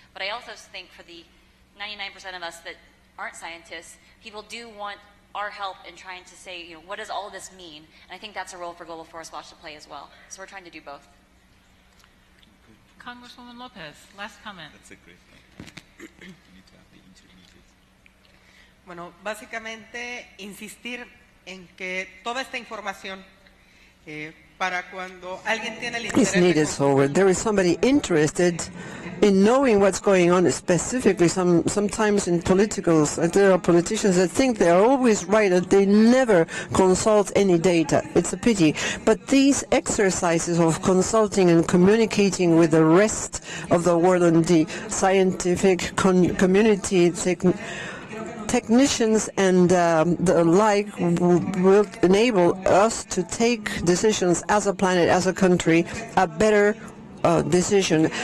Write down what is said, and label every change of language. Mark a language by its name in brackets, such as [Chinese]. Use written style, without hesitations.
[English] But I also think for the 99% of us that aren't scientists, people do want our help in trying to say, what does all this mean? And I think that's a role for Global Forest Watch to play as well. So we're trying to do both. Congresswoman Lopez, last comment. That's a great point. You need to have the intermediate. [Spanish] Bueno, básicamente insistir en que toda esta información para cuando alguien tiene el interés. [English] It's needed forward. There is somebody interested in knowing what's going on, specifically sometimes in politicals, and there are politicians that think they are always right and they never consult any data. It's a pity. But these exercises of consulting and communicating with the rest of the world and the scientific community, technicians and the like will enable us to take decisions as a planet, as a country, a better decision.